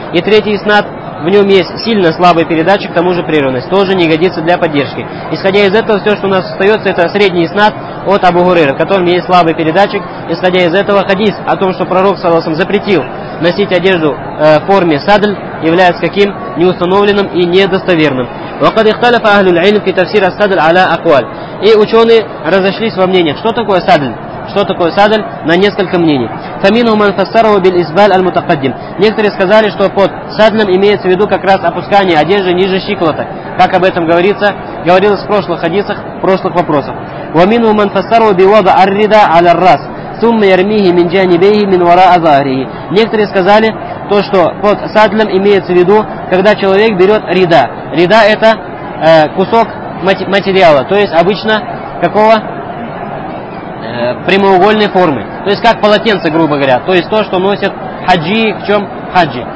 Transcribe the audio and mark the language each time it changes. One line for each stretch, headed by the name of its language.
Russian: И третий иснад, в нем есть сильно слабый передатчик, к тому же прерванность. Тоже не годится для поддержки. Исходя из этого, все, что у нас остается, это средний иснад от Абу Хурейры, в котором есть слабый передатчик. Исходя из этого, хадис о том, что пророк саллаллаху алейхи ва саллям запретил носить одежду в форме садль, является каким? Неустановленным и недостоверным.
Arabic: وقد اختلف اهل العلم في تفسير السدل على اقوال.
Russian: И ученые разошлись во мнениях. Что такое садль? Что такое садль? На несколько мнений.
Arabic: فمنهم من فسره بالإسبال المتقدم.
Russian: Некоторые сказали, что под садлем имеется в виду как раз опускание одежды ниже щиколоток. Как об этом говорится? Говорилось в прошлых хадисах, в прошлых вопросах.
Arabic: ومنهم من فسره بوضع الرداء على الرأس ثم يرميه من جانبيه من وراء ظهره.
Russian: Некоторые сказали то, что под садлем имеется в виду, когда человек берет рида. Рида – это кусок материала, то есть обычно какого? Прямоугольной формы. То есть как полотенце, грубо говоря. То есть то, что носят хаджи, в чем хаджи.